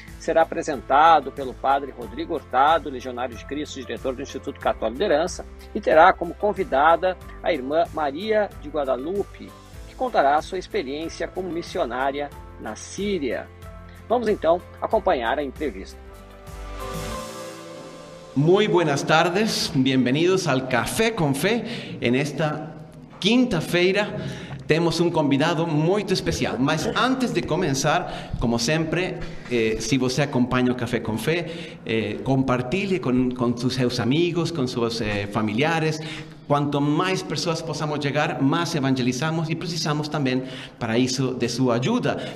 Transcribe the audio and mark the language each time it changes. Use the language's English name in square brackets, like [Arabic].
[Portuguese] Será apresentado pelo padre Rodrigo Hurtado, legionário de Cristo, diretor do Instituto Católico de Liderança, e terá como convidada a irmã Maria de Guadalupe, que contará sua experiência como missionária na Síria. Vamos então acompanhar a entrevista. [Spanish] Muy buenas tardes, bienvenidos al Café con Fe. [Portuguese] En esta quinta-feira temos um convidado muito especial. Mas antes de começar, como sempre, se você acompanha o Café com Fé, compartilhe com seus amigos, com seus familiares. Quanto mais pessoas possamos chegar, mais evangelizamos e precisamos também para isso de sua ajuda.